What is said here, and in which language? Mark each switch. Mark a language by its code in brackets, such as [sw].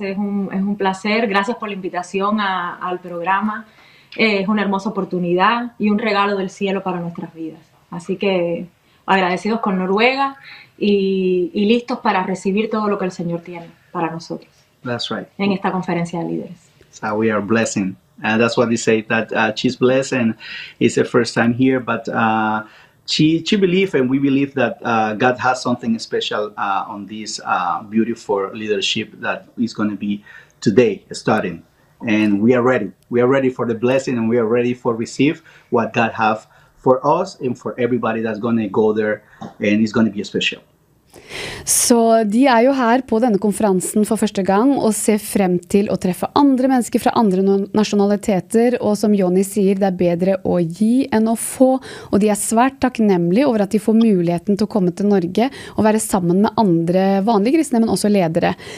[es] Es un placer. Gracias por la invitación al programa. Es una hermosa oportunidad y un regalo del cielo para nuestras vidas. Así que agradecidos con Noruega y listos para recibir todo lo que el Señor tiene para nosotros. [en] That's right. [es] En esta conferencia de líderes. [en] So we are blessing. And that's what they say, that she's blessed and it's her first time here, but she believes and we believe that God has something special on this beautiful leadership that is going to be today starting. And we are ready. We are ready for the blessing and we are ready for receive what God has for us and for everybody that's going to go there, and it's going to be special. [no] Så de jo her på denne konferansen for første gang og ser frem til å treffe andre mennesker fra andre nasjonaliteter, og som Johnny sier, det bedre å gi enn å få, og de svært takknemlige over at de får muligheten til å komme til Norge og være sammen med andre vanlige kristne, men også ledere.